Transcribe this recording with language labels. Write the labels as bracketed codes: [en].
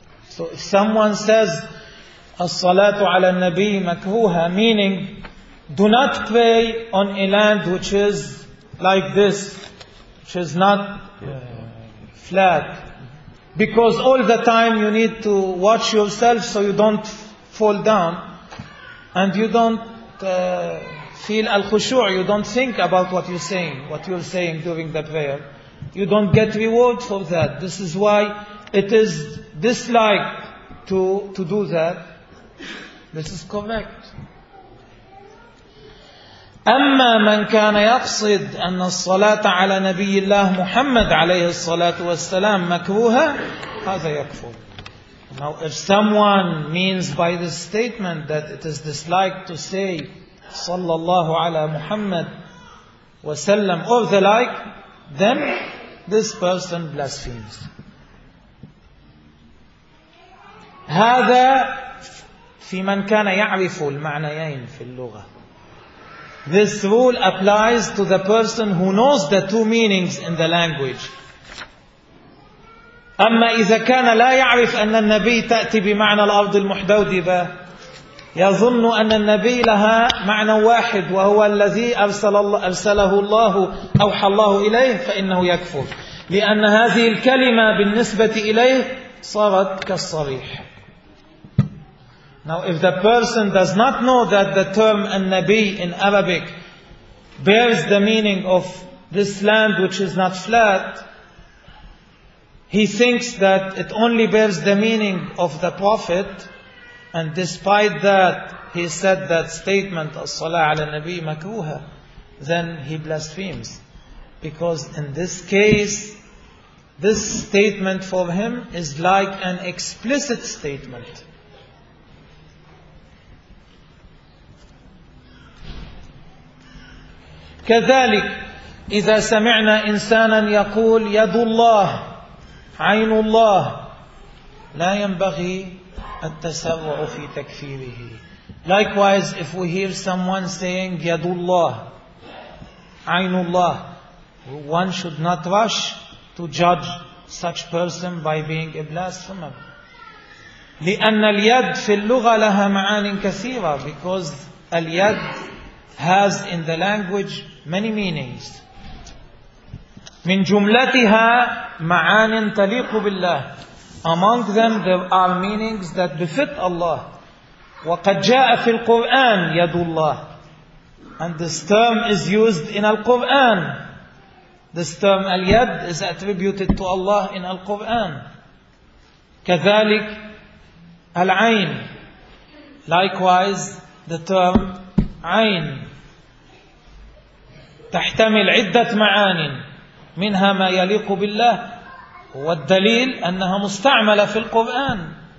[en] So if someone says [ar] الصلاة على النبي مكروهة [en] meaning do not pray on a land which is like this which is not flat because all the time you need to watch yourself so you don't fall down and you don't feel al-khushu' you don't think about what you're saying during the prayer You don't get reward for that. This is why it is disliked to do that. This is correct. [ar] أما من كان يقصد أن الصلاة على نبي الله محمد عليه الصلاة والسلام مكروهة هذا يكفر. [en] Now, if someone means by this statement that it is disliked to say [ar] صلى الله على محمد وسلم [en] or the like, then This person blasphemes. [ar] هذا في من كان يعرف المعنيين في اللغة. [en] This rule applies to the person who knows the two meanings in the language. [ar] أما إذا كان لا يعرف أن النبي تأتي بمعنى الأرض المحدودبة يظن أن النبي لها معنى واحد وهو الذي أرسله الله أوحى الله إليه فإنه يكفر. لأن هذه الكلمة بالنسبة إليه صارت كالصريح. [en] Now, if the person does not know that the term النبي in Arabic bears the meaning of this land which is not flat, He thinks that it only bears the meaning of the Prophet, and despite that, he said that statement, [ar] As-salah ala nabi makruha, [en] then he blasphemes. Because in this case, this statement for him is like an explicit statement. [ar] كذلك إذا سمعنا إنسانا يقول يد الله عين الله لا ينبغي التسرع في تكفيره. [en] Likewise, if we hear someone saying [ar] يد الله عين الله, [en] one should not rush to judge such person by being a blasphemer. [ar] لأن اليد في اللغة لها معان كثيرة, [en] because اليد has in the language many meanings. [ar] من جملتها معان تليق بالله. [en] Among them there are meanings that befit Allah. [ar] وقد جاء في القرآن يد الله. [en] And this term is used in Al-Quran. This term Al-Yad is attributed to Allah in Al-Quran. [ar] كذلك العين. [en] Likewise, the term [ar] عين تحتمل عدة معان, منها ما يليق بالله, والدليل أنها مستعملة في القرآن.